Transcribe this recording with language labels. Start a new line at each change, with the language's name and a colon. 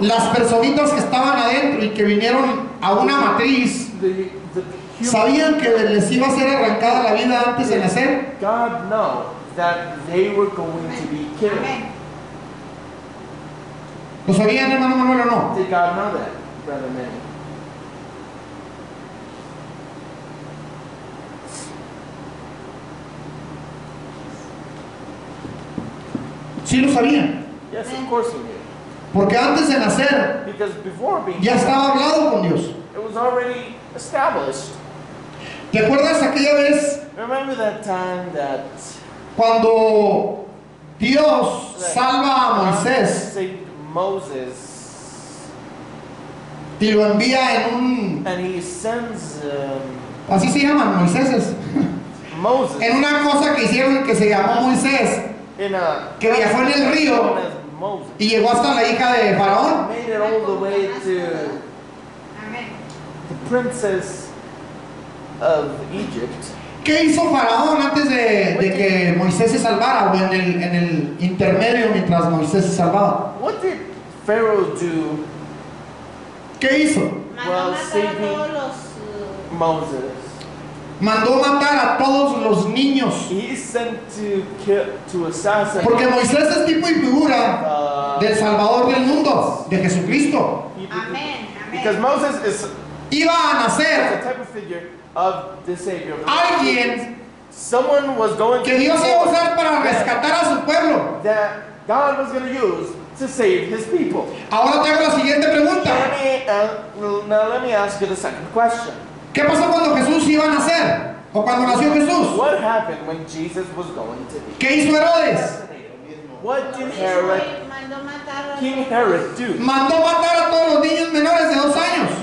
Spanish: Las personitas que estaban adentro y que vinieron a una matriz sabían que les iba a ser arrancada la vida antes de nacer.
English: God know that they were going to be killed. Okay.
Spanish: ¿Lo sabían, hermano Manuel, o no?
English: Did God know that, brother Manny?
Spanish: Sí lo sabían.
English: Yes, of course he knew.
Spanish: Porque antes de nacer ya estaba hablado con Dios.
English: It was already established.
Spanish: ¿Te acuerdas aquella vez?
English: Remember that time that
Spanish: cuando Dios salva a Moisés,
English: Moses,
Spanish: y lo envía en un
English: and he sends,
Spanish: así se llaman Moiséses.
English: Moses,
Spanish: en una cosa que hicieron que se llamó Moisés,
English: in a,
Spanish: que viajó en el río.
English: Moses.
Spanish: Y llegó hasta la hija de Faraón.
English: Made it all the way to the princess of Egypt.
Spanish: ¿Qué hizo Faraón antes de que Moisés se salvara o en el intermedio mientras Moisés se salvaba?
English: What did Pharaoh do?
Spanish: ¿Qué hizo?
English: Well, saving Moses.
Spanish: Mandó matar a todos los niños.
English: He sent to kill, to assassinate.
Spanish: Porque Moisés es tipo y figura del Salvador del mundo, de Jesucristo. Amén.
English: Because Moses is
Spanish: iba a nacer.
English: The type of figure of the Savior.
Spanish: Alguien,
English: someone was going
Spanish: que Dios iba a usar para rescatar a su pueblo.
English: That God was going to use to save his people.
Spanish: Ahora te hago la siguiente pregunta.
English: Let me ask you the second question.
Spanish: ¿Qué pasó cuando Jesús iba a nacer? ¿O cuando nació Jesús?
English: What happened when Jesus was going to be?
Spanish: ¿Qué hizo Herodes?
English: What did Herod, King Herod do?
Spanish: Mandó matar a todos los niños menores de 2 años.